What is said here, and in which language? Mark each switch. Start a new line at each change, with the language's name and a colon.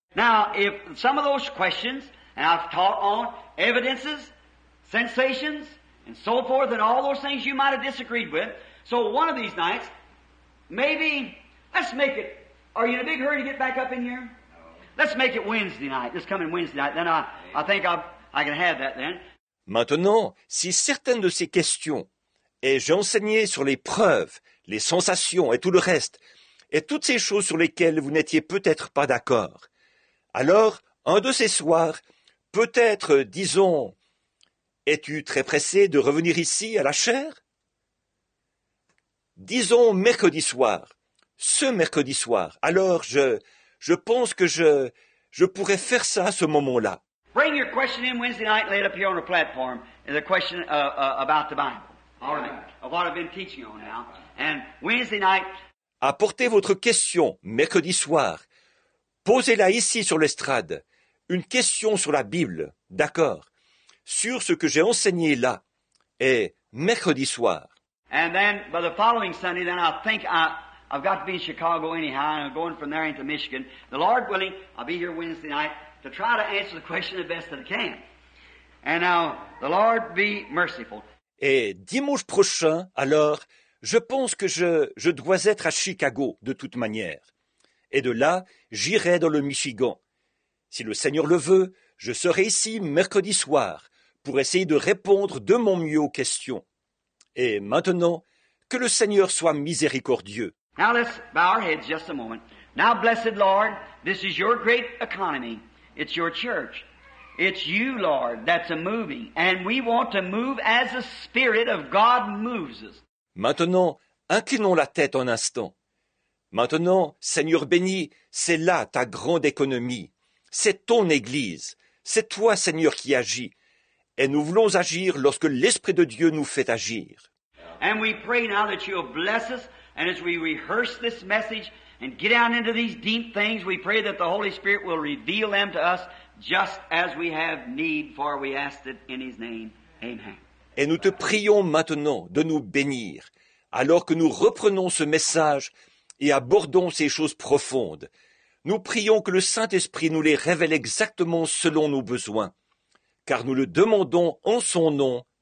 English: Now, if some of those questions, and I've taught on evidences, sensations, and so forth, and all those things you might have disagreed with, so one of these nights, maybe, let's make it, are you in a big hurry to get back up in here? Let's make it Wednesday night, this coming Wednesday night. Then I think I can have that then.
French: Maintenant, si certaines de ces questions, et j'ai enseigné sur les preuves, les sensations et tout le reste, et toutes ces choses sur lesquelles vous n'étiez peut-être pas d'accord, alors, un de ces soirs, peut-être, disons, es-tu très pressé de revenir ici à la chair? Disons mercredi soir, ce mercredi soir, alors je pense que je pourrais faire ça à ce moment-là.
English: Bring your question in Wednesday night, laid up here on the platform, and the question about the Bible, all right, of what I've been teaching on now, and Wednesday night.
French: Apportez votre question mercredi soir, posez-la ici sur l'estrade, une question sur la Bible, d'accord, sur ce que j'ai enseigné là, et mercredi soir.
English: And then, by the following Sunday, then I think I've got to be in Chicago anyhow, and I'm going from there into Michigan. The Lord willing, I'll be here Wednesday night to try to answer the question the best that I can. And now, the Lord be merciful.
French: Et dimanche prochain, alors, je pense que je dois être à Chicago, de toute manière. Et de là, j'irai dans le Michigan. Si le Seigneur le veut, je serai ici mercredi soir pour essayer de répondre de mon mieux aux questions. Et maintenant, que le Seigneur soit miséricordieux.
English: Now let's bow our heads just a moment. Now, blessed Lord, this is your great economy. It's your church. It's you, Lord, that's a moving. And we want to move as the Spirit of God moves us.
French: Maintenant, inclinons la tête un instant. Maintenant, Seigneur béni, c'est là ta grande économie. C'est ton Église. C'est toi, Seigneur, qui agis. Et nous voulons agir lorsque l'Esprit de Dieu nous fait agir.
English: And we pray now that you'll bless us. And as we rehearse this message and get down into these deep things, we pray that the Holy Spirit will reveal them to us just as we have need, for we ask it in His name. Amen.
French: Et nous te prions maintenant de nous bénir, alors que nous reprenons ce message et abordons ces choses profondes. Nous prions que le Saint-Esprit nous les révèle exactement selon nos besoins, car nous le demandons en son nom.